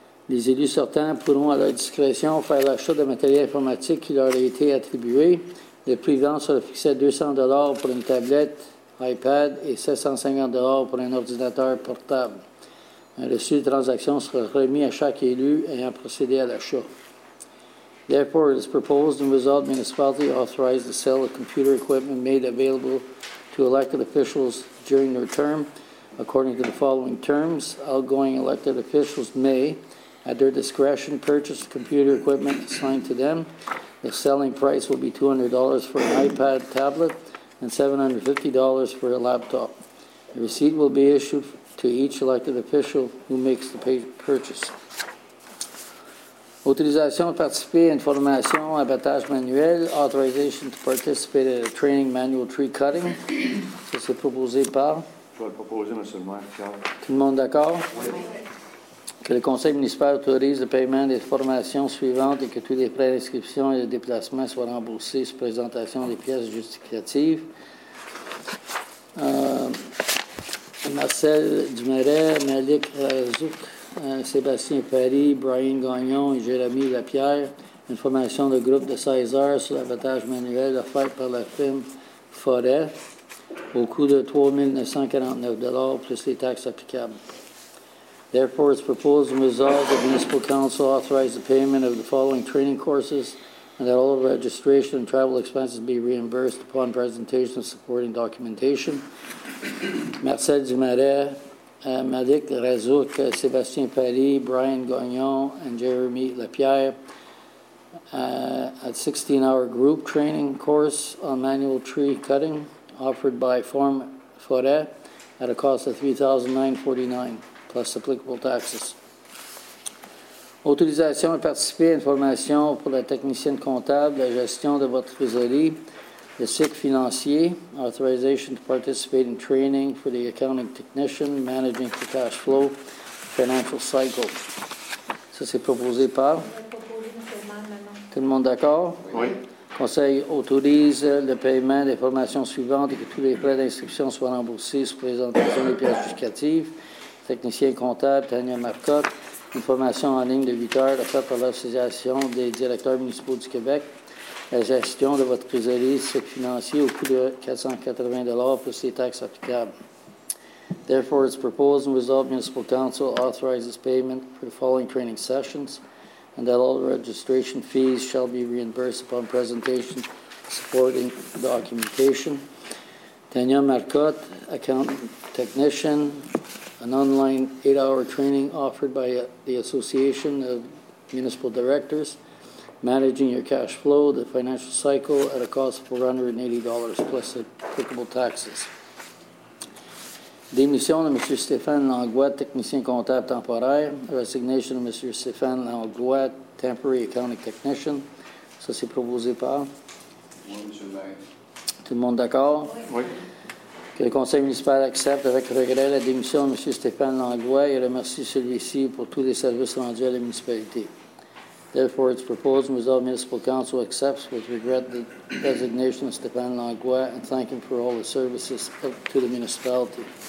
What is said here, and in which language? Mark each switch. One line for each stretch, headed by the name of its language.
French: Les élus sortants pourront à leur discrétion faire l'achat de matériel informatique qui leur a été attribué. Le prix de vente sera fixé à 200 $ pour une tablette iPad et 750 $ pour un ordinateur portable. Un reçu de transaction sera remis à chaque élu ayant procédé à l'achat.
English: Therefore, it is proposed and resolved the municipality authorize the sale of computer equipment made available to elected officials during their term according to the following terms. Outgoing elected officials may, at their discretion, purchase computer equipment assigned to them. The selling price will be $200 for an iPad tablet and $750 for a laptop. The receipt will be issued to each elected official who makes the purchase.
French: Autorisation de participer à une formation abattage manuel.
English: Authorization to participate in a training manual tree cutting.
French: Ça, c'est proposé par? Je vais le proposer, Monsieur le maire. Tout le monde d'accord? Oui. Que le conseil municipal autorise le paiement des formations suivantes et que tous les frais d'inscription et de déplacement soient remboursés sous présentation des pièces justificatives. Marcel Dumeret, Malik Razouk, Sébastien Paris, Brian Gagnon et Jérémy Lapierre, une formation de groupe de 16 heures sur l'abattage manuel offerte par la firme Forêt au coût de $3,949 plus les taxes applicables.
English: Therefore, it's proposed and resolved that the Municipal Council authorize the payment of the following training courses and that all registration and travel expenses be reimbursed upon presentation of supporting documentation. Marcel Dumeret, Malik Razouk, Sébastien Paris, Brian Gagnon, and Jeremy Lapierre at 16-hour group training course on manual tree cutting offered by Farm Forêt at a cost of $3,949 plus applicable taxes.
French: Autorisation et participer à une formation pour la technicienne comptable, la gestion de votre trésorerie.
English: The SIC financier, authorization to participate in training for the accounting technician, managing the cash flow, financial cycle.
French: Ça, c'est proposé par? Tout le monde d'accord? Oui. Conseil autorise le paiement des formations suivantes et que tous les frais d'inscription soient remboursés sous présentation des pièces justificatives. Technicien comptable, Tania Marcotte, une formation en ligne de 8 heures offerte par l'Association des directeurs municipaux du Québec. La gestion de votre trésorerie, c'est financier au coût de $480 plus les taxes applicables.
English: Therefore, it's proposed and resolved Municipal Council authorizes payment for the following training sessions and that all registration fees shall be reimbursed upon presentation supporting documentation. Tania Marcotte, accountant technician, an online 8-hour training offered by the Association of Municipal Directors. Managing your cash flow, the financial cycle, at a cost of $480 plus applicable taxes.
French: Démission de Monsieur Stéphane Langlois, technicien comptable temporaire.
English: Resignation of Monsieur Stéphane Langlois, temporary accounting technician.
French: Ça, c'est proposé par? Oui, Monsieur le maire. Tout le monde d'accord? Oui. Que le conseil municipal accepte avec regret la démission de Monsieur Stéphane Langlois et remercie celui-ci pour tous les services rendus à la municipalité.
English: Therefore, it's proposed and resolved Municipal Council accepts with regret the resignation of Stéphane Langlois and thank him for all the services to the municipality.